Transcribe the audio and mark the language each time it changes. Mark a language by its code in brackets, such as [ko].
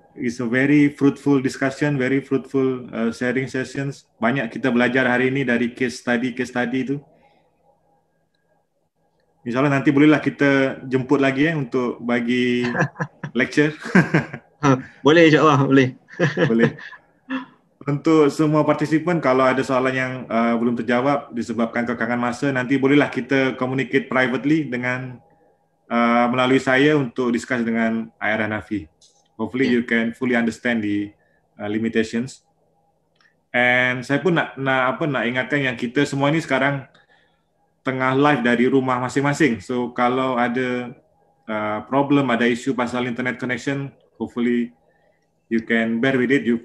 [en] It's a very fruitful discussion, very fruitful sharing sessions. [ms] Banyak kita belajar hari ini dari case study itu. Insyaallah nanti bolehlah kita jemput lagi untuk bagi lecture. Boleh, insyaallah boleh. Boleh. Untuk semua partisipan, kalau ada soalan yang belum terjawab disebabkan kekangan masa, nanti bolehlah kita communicate privately dengan melalui saya untuk discuss dengan Ayah Hanafi. [en] Hopefully you can fully understand the limitations. And [ms] saya pun nak ingatkan yang kita semua ni sekarang tengah live dari rumah masing-masing. So kalau ada problem, ada isu pasal internet connection, [en] hopefully you can bear with it.